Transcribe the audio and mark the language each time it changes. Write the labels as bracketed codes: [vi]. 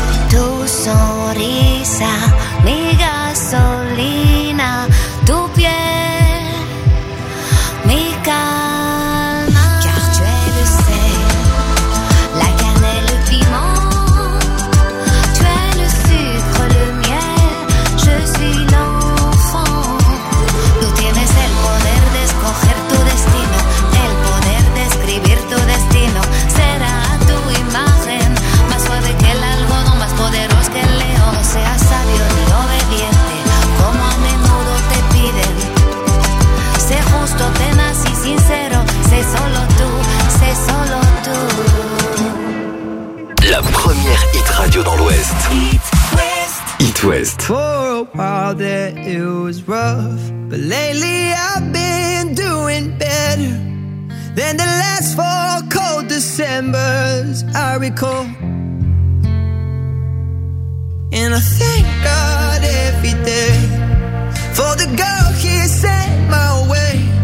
[es] Tu sonrisa, mi gasolina, tu piel, mi calma. [fr] Car tu es le sel, la cannelle, le piment, tu es le sucre, le miel, je suis l'enfant. [es] Tu tienes el poder de escoger tu destino, el poder de escribir tu destino. Será tu imagen más suave que el algodón, más poderoso que el león. Seas sabio y obediente, como a menudo te piden. Sé justo, tenaz y sincero. Sé solo tú, sé solo tú. [fr] La première hit radio dans l'Ouest. Hit West. [en] For a while there it was rough, but lately I've been doing better than the last four cold Decembers I recall. And I thank God every day for the girl he sent my way.